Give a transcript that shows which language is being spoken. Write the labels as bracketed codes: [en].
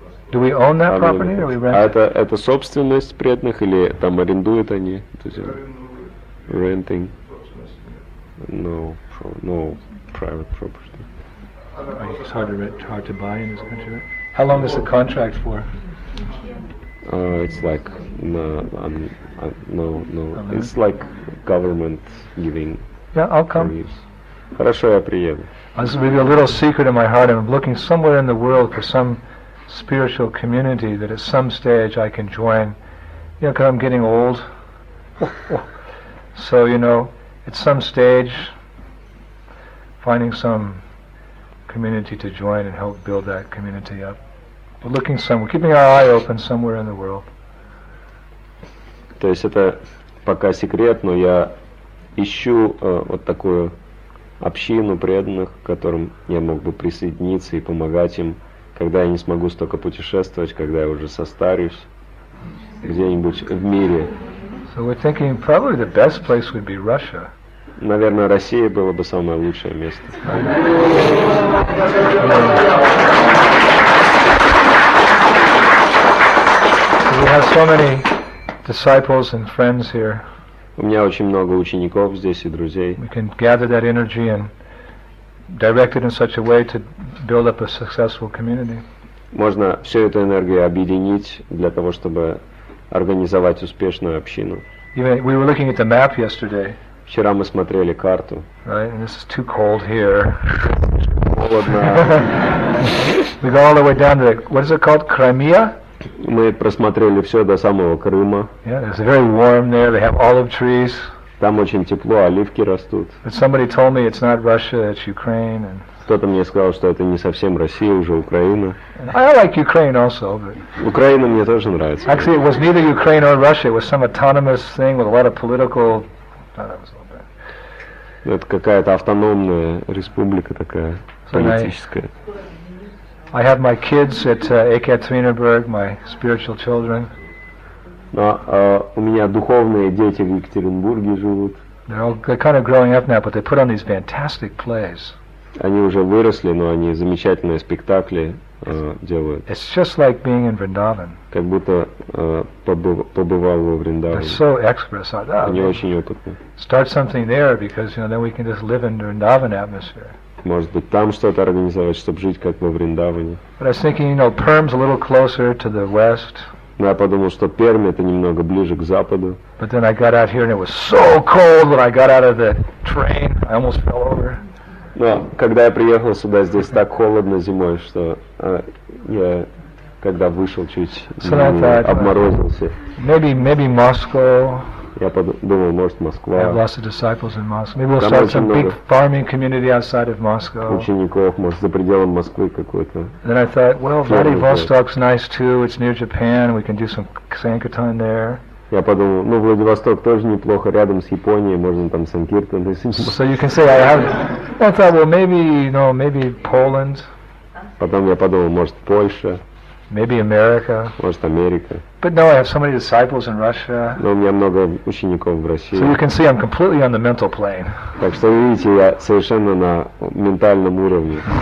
[en] Do we own that property, or we rent it? [ru] Это собственность предных, или там арендуют они? То есть, [en] renting. No. No private property. It's hard to rent, hard to buy in this country. Right? How long is the contract for? It's like no. Uh-huh. It's like government giving. Yeah, I'll come. [ru] Хорошо, я приеду. [en] This is maybe a little secret in my heart. I'm looking somewhere in the world for some spiritual community that at some stage I can join. You know, 'cause I'm getting old. So you know, at some stage. Finding some community to join and help build that community up. But looking somewhere, keeping our eye open somewhere in the world. [ru] То есть это пока секрет, но я ищу вот такую общину преданных, к которым я мог бы присоединиться и помогать им, когда я не смогу столько путешествовать, когда я уже состарюсь где-нибудь в мире. [en] So we're thinking probably the best place would be Russia. [ru] Наверное, Россия была бы самое лучшее место. [en] We have so many disciples and friends here. [ru] У меня очень много учеников здесь и друзей. [en] We can gather that energy and direct it in such a way to build up a successful community. [ru] Можно всю эту энергию объединить для того, чтобы организовать успешную общину. [en] We were looking at the map yesterday. [ru] Вчера мы смотрели карту. [en] Right, and this is too cold here. [ru] Холодно. [en] We go all the way down to the, what is it called, Crimea? [ru] Мы просмотрели все до самого Крыма. [en] Yeah, it's very warm there. They have olive trees. [ru] Там очень тепло, оливки растут. [en] But somebody told me it's not Russia, it's Ukraine. And [ru] кто-то мне сказал, что это не совсем Россия, уже Украина. [en] I like Ukraine also, but [ru] Украина мне тоже нравится. [en] Actually, it was neither Ukraine or Russia. It was some autonomous thing with a lot of political. [ru] Ну, это какая-то автономная республика такая, so политическая. [en] I have my kids at Ekaterinburg, my spiritual children. [ru] Но у меня духовные дети в Екатеринбурге живут. [en] They're kind of growing up now, but they put on these fantastic plays. [ru] Они уже выросли, но они замечательные спектакли делают. [en] It's just like being in Vrindavan. [ru] Как будто побывал во Вриндаване. [en] They're so expert. So, да, [ru] они очень опытные. [en] Start something there because, you know, then we can just live in the Vrindavan atmosphere. [ru] Может быть, там что-то организовать, чтобы жить как во Вриндаване. [en] But I was thinking, you know, Perm's a little closer to the west. [ru] Но я подумал, что Пермь это немного ближе к западу. [en] But then I got out here and it was so cold when I got out of the train. I almost fell over. [ru] Но когда я приехал сюда, здесь так холодно зимой, что я, когда вышел, чуть [en] so thought, [ru] обморозился. [en] Maybe Moscow. [ru] Я подумал, может, Москва. [en] I have lots of disciples in Moscow. Maybe we'll start some big farming community outside of Moscow. [ru] Учеников, может, за пределами Москвы какой-то. [en] Then I thought, well, Vladivostok's nice too. It's near Japan. We can do some sankirtan there. [ru] Я подумал, ну, Владивосток тоже неплохо, рядом с Японией, можно там санкиртан. [en] So you can say, maybe Poland. [ru] Потом я подумал, может, Польша. [en] Maybe America. [ru] Может, Америка. [en] But no, I have so many disciples in Russia. [ru] Но у меня много учеников в России. [en] So you can see, I'm completely on the mental plane. [ru] Так что, видите, я совершенно на ментальном уровне.